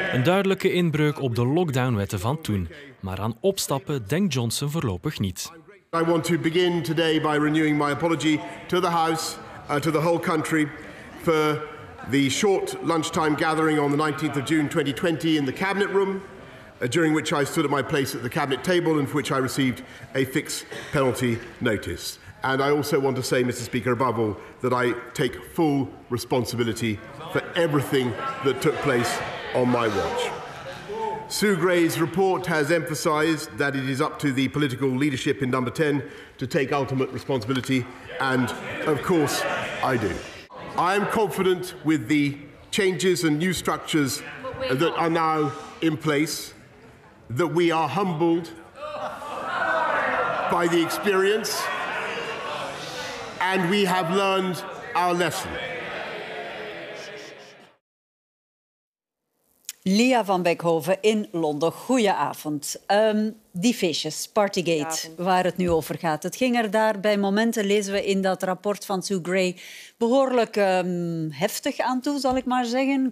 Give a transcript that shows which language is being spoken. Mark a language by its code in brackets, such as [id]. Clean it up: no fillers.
[nl] Een duidelijke inbreuk op de lockdownwetten van toen. Maar aan opstappen denkt Johnson voorlopig niet. [en] I want to begin today by renewing my apology to the House, to the whole country, for the short lunchtime gathering on the 19th of June 2020 in the Cabinet Room, during which I stood at my place at the Cabinet table and for which I received a fixed penalty notice. And I also want to say, Mr. Speaker, above all, that I take full responsibility for everything that took place on my watch. Sue Gray's report has emphasised that it is up to the political leadership in Number 10 to take ultimate responsibility, and of course I do. I am confident with the changes and new structures that are now in place that we are humbled by the experience and we have learned our lesson. [nl] Lia van Beckhoven in Londen. Goedenavond. Die feestjes, Partygate, waar het nu over gaat. Het ging er daar bij momenten, lezen we in dat rapport van Sue Gray, behoorlijk heftig aan toe, zal ik maar zeggen.